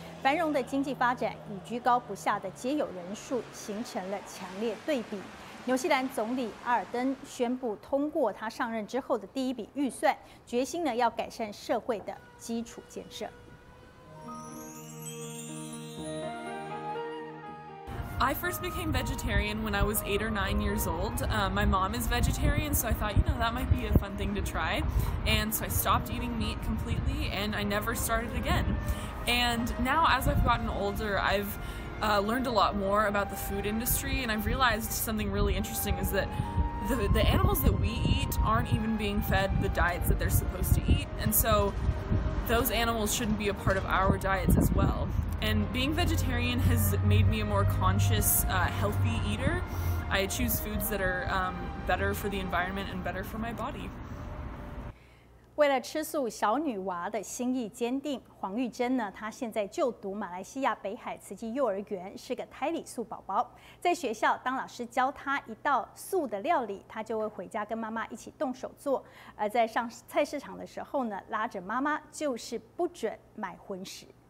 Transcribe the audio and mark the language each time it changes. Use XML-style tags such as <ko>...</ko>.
<zh>繁荣的经济发展与居高不下的街友人数形成了强烈对比。纽西兰总理阿尔登宣布通过他上任之后的第一笔预算，决心呢要改善社会的基础建设。</zh> <en>I first became vegetarian when I was 8 or 9 years old. My mom is vegetarian, so I thought, you know, that might be a fun thing to try. And so I stopped eating meat completely, and I never started again. And now, as I've gotten older, I've learned a lot more about the food industry, and I've realized something really interesting is that the animals that we eat aren't even being fed the diets that they're supposed to eat. And so those animals shouldn't be a part of our diets as well. And being vegetarian has made me a more conscious, healthy eater. I choose foods that are better for the environment and better for my body.</en> <zh>为了吃素，小女娃的心意坚定。黄玉珍呢，她现在就读马来西亚北海慈济幼儿园，是个胎里素宝宝。在学校，当老师教她一道素的料理，她就会回家跟妈妈一起动手做。而在上菜市场的时候呢，拉着妈妈就是不准买荤食。</zh>